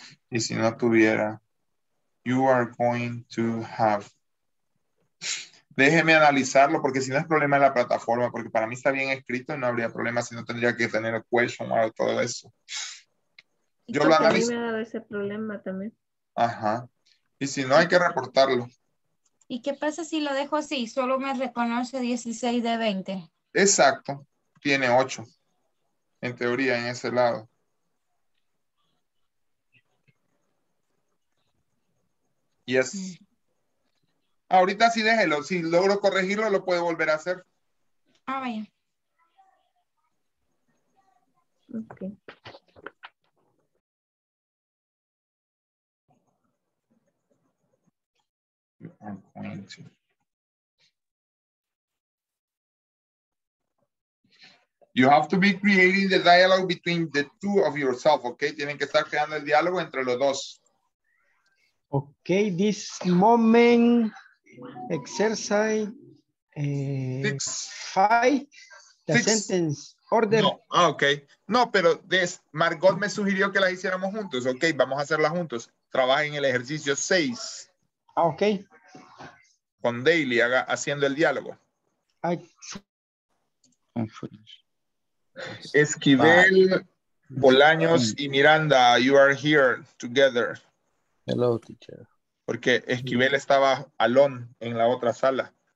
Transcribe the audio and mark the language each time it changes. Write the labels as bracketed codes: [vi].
[es] Y si no tuviera, [en] you are going to have. [es] Déjeme analizarlo, porque si no es problema de la plataforma, porque para mí está bien escrito y no habría problema, si no tendría que tener el question o todo eso. Yo lo analizo. A mí me ha dado ese problema también. Ajá. Y si no, hay que reportarlo. ¿Y qué pasa si lo dejo así? Solo me reconoce 16 de 20. Exacto. Tiene 8. En teoría, en ese lado. Yes. Mm. Ahorita sí déjelo. Si logro corregirlo, lo puedo volver a hacer. Ah, vaya. Ok. [en] You have to be creating the dialogue between the two of yourself, okay? [es] Tienen que estar creando el diálogo entre los dos. [en] Okay, this moment exercise sentence order. [es] No. Ah, okay. No, pero this Margot me sugirió que la hiciéramos juntos. Okay, vamos a hacerla juntos. Trabaja en el ejercicio 6. Ah, okay. Con Daily haciendo el diálogo. [en] Esquivel, Bolaños y Miranda, you are here together. Hello, teacher. [es] Porque Esquivel estaba alone en la otra sala.